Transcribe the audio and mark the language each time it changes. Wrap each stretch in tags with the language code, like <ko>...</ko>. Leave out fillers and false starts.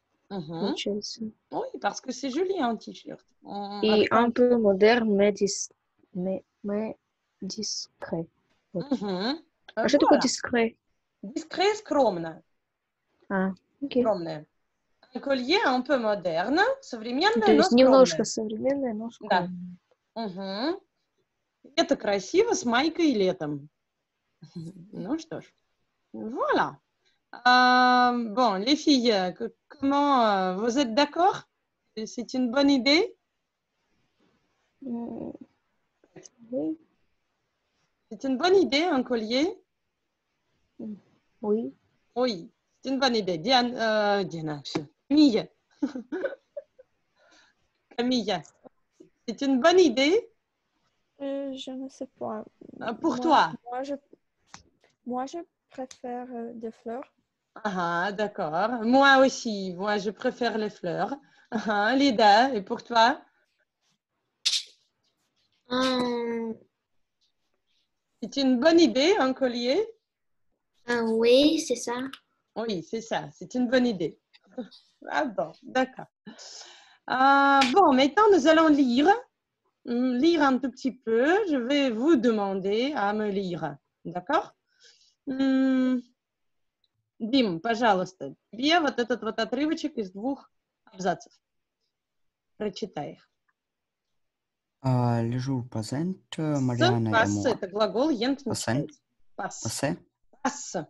<fr>Oui, parce que c'est joli un t-shirt. Et un peu moderne, mais discret. Je trouve discret.</fr> <ru>Discret, скромно. Скромно.</ru> <fr>Un collier un peu moderne,</fr> <ru>современное, то есть, немножко современное, но скромное. Да. Это красиво с майкой летом. Ну что ж, voilà.</ru> <fr>Bon, les filles, comment vous êtes d'accord? C'est une bonne idée? Oui. C'est une bonne idée, un collier? Oui. Oui, c'est une bonne idée. Diana, Camille. Camille, c'est une bonne idée? Je ne sais pas. Pour toi? Moi, je préfère des fleurs. Ah, d'accord. Moi aussi. Moi, je préfère les fleurs. Lida, et pour toi? C'est une bonne idée, un collier? Oui, c'est ça. Oui, c'est ça. C'est une bonne idée. Ah bon, d'accord. Bon, maintenant, nous allons lire un tout petit peu. Je vais vous demander à me lire. D'accord?</fr> <ru>Дим, пожалуйста, тебе вот этот вот отрывочек из двух абзацев. Прочитай их.</ru> <fr>Лежу в пасент, Мариана.</fr> <ru>Пасс, это глагол.</ru> <fr>Пасент. Пасс. Пасс.</fr>